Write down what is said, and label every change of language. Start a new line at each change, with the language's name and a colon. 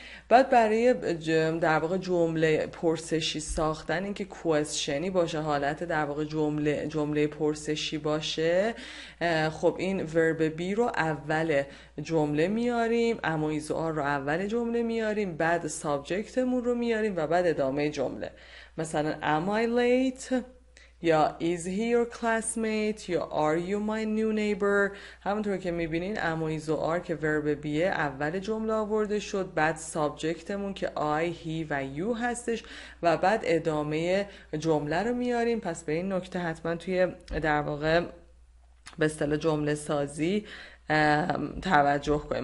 Persian: بعد برای در واقع جمله پرسشی ساختن، این که questioni باشه، حالت در واقع جمله پرسشی باشه، خب این verb be رو اول جمله میاریم، am و is و are رو اول جمله میاریم، بعد subjectمون رو میاریم و بعد ادامه جمله. مثلا
English: am I late،
Persian: یا
English: is he your classmate
Persian: یا
English: are you my new neighbor.
Persian: همونطور که میبینین اما is و are که ورب بیه اول جمله آورده شد، بعد سابجکتمون که I, he و you هستش و بعد ادامه جمله رو میاریم. پس به این نکته حتما توی در واقع به اصطلاح جمله سازی توجه کنیم.